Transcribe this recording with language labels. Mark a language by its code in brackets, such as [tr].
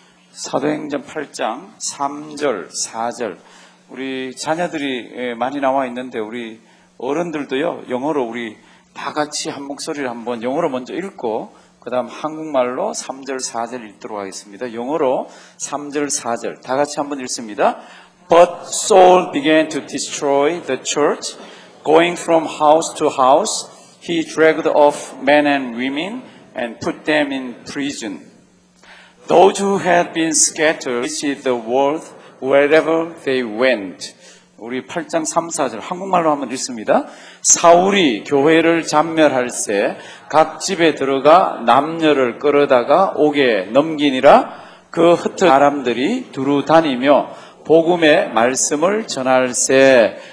[ko] 사도행전 8장 3절 4절 우리 자녀들이 많이 나와 있는데 우리 어른들도요 영어로 우리 다 같이 한 목소리를 한번 영어로 먼저 읽고 그 다음 한국말로 3절 4절 읽도록 하겠습니다. 영어로 3절 4절 다 같이 한번 읽습니다. [en] But Saul began to destroy the church, going from house to house. He dragged off men and women and put them in prison. Those who had been scattered reached the world wherever they went. [ko] 우리 8장 3, 4절 한국말로 한번 읽습니다. 사울이 교회를 잔멸할 새 각 집에 들어가 남녀를 끌어다가 옥에 넘기니라 그 흩어 사람들이 두루 다니며 복음의 말씀을 전할 새.